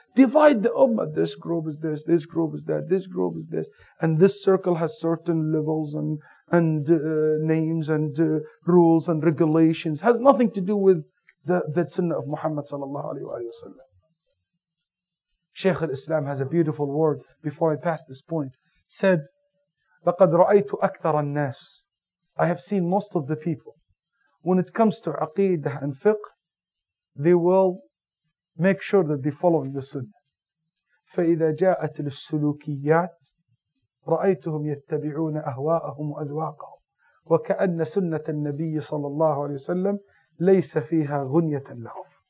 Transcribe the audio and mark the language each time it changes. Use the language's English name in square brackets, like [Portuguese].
[English] Divide the ummah. This group is this, this group is that, this group is this. And this circle has certain levels and names and rules and regulations. Has nothing to do with the sunnah of Muhammad sallallahu alayhi wa sallam. Shaykh al-Islam has a beautiful word before I pass this point. Said, [Arabic] لَقَدْ رَأَيْتُ أَكْثَرَ النَّاسِ. [English] I have seen most of the people. When it comes to aqidah and fiqh, they will make sure that they follow the sunnah. [Arabic] فَإِذَا جَاءَتِ لِلسُّلُوكِيَّاتِ رَأَيْتُهُمْ يَتَّبِعُونَ أَهْوَاءَهُمْ وَأَذْوَاقَهُمْ وَكَأَنَّ سُنَّةَ النَّبِيِّ صَلَى اللَّهُ عَلَيْهِ وَسَلَّمْ لَيْسَ فِيهَا غُنْيَةً لَهُمْ.